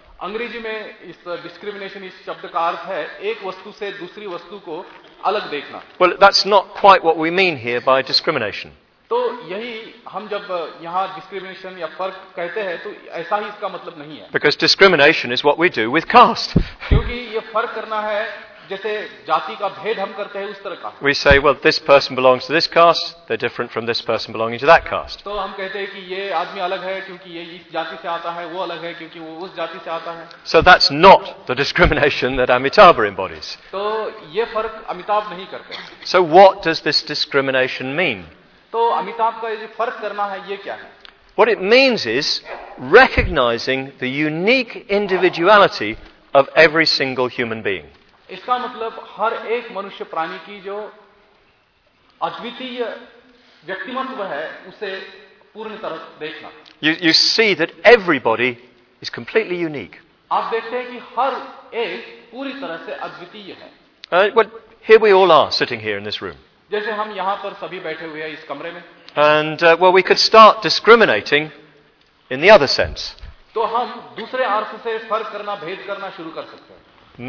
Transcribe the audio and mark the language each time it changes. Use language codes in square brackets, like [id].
[hi] अंग्रेजी में इस discrimination इस शब्द का अर्थ है एक वस्तु से दूसरी वस्तु को अलग देखना। [en] Well, that's not quite what we mean here by discrimination. [hi] तो यही हम जब यहाँ डिस्क्रिमिनेशन या फर्क कहते हैं तो ऐसा ही इसका मतलब नहीं है। [en] Because discrimination is what we do with caste. [hi] क्योंकि ये फर्क करना है जैसे जाति का भेद हम करते हैं उस तरह का। [en] We say, well, this person belongs to this caste, they're different from this person belonging to that caste. [hi] तो हम कहते हैं कि ये आदमी अलग है क्योंकि ये इस जाति से आता है, वो अलग है क्योंकि वो उस जाति से आता है। [en] So that's not the discrimination that Amitabha embodies. [hi] तो ये फर्क अमिताभ नहीं करते। [en] So what does this discrimination mean? [hi] तो अमिताभ का ये फर्क करना है ये क्या है? [en] What it means is recognizing the unique individuality of every single human being. [hi] इसका मतलब हर एक मनुष्य प्राणी की जो अद्वितीय व्यक्तिमत्व है उसे पूर्ण तरह देखना। [en] You see that everybody is completely unique. [hi] आप देखते हैं कि हर एक पूरी तरह से अद्वितीय है। [en] Well, here we all are sitting here in this room. [hi] जैसे हम यहाँ पर सभी बैठे हुए हैं इस कमरे में। [en] And well, we could start discriminating in the other sense. [hi] तो हम दूसरे अर्थ से फर्क करना, भेद करना शुरू कर सकते हैं।